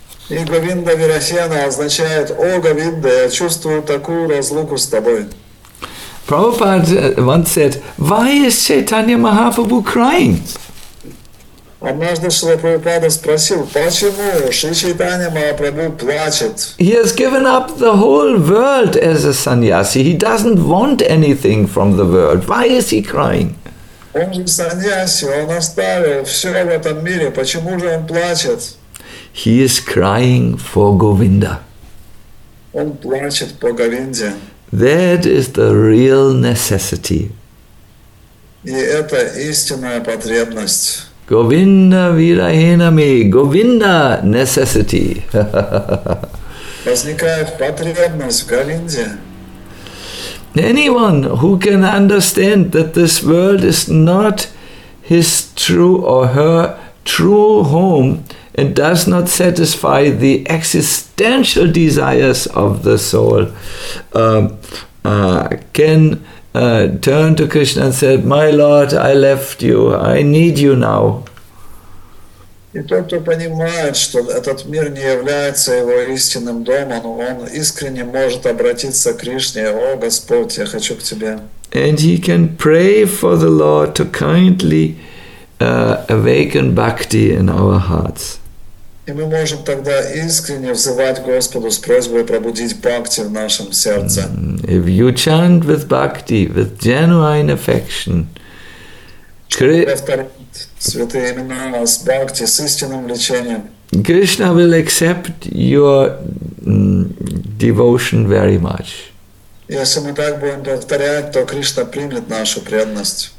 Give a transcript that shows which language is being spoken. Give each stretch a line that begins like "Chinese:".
Russian: И
Sanskrit: Говинда Вирасена
Russian: означает, О Говинда, я чувствую такую разлуку с тобой.
English: Prabhupada once said, why is Chaitanya Mahaprabhu crying?
Russian: Однажды Шрила Прабхупада спросил, почему Шри Чайтанья Махапрабху плачет?
English: He has given up the whole world as a sannyasi. He doesn't want anything from the world. Why is he crying?
Russian: Он же сан-яси, он оставил все в этом мире. Почему же он плачет?
English: He is crying for Govinda.
Russian: Он плачет по Говинде.
English: That is the real necessity.
Russian: И это истинная потребность.
Sanskrit: Govinda virahename,
English: Govinda necessity.
Russian: Возникает потребность в Говинде.
English: Anyone who can understand that this world is not his true or her true home and does not satisfy the existential desires of the soul can turn to Krishna and say, my Lord, I left you, I need you now.
Russian: И тот, кто понимает, что этот мир не является его истинным домом, он искренне может обратиться к Кришне, о Господь, я хочу к Тебе.
English: And he can pray for the Lord to kindly awaken bhakti in our hearts.
Russian: И мы можем тогда искренне взывать Господу с просьбой пробудить бхакти в нашем сердце.
English: If you chant with bhakti, with genuine affection,
Russian: святые имена с бхакти, с истинным влечением,
English: Krishna will accept your devotion very much.
Russian: Если мы так будем повторять, то Кришна примет нашу преданность.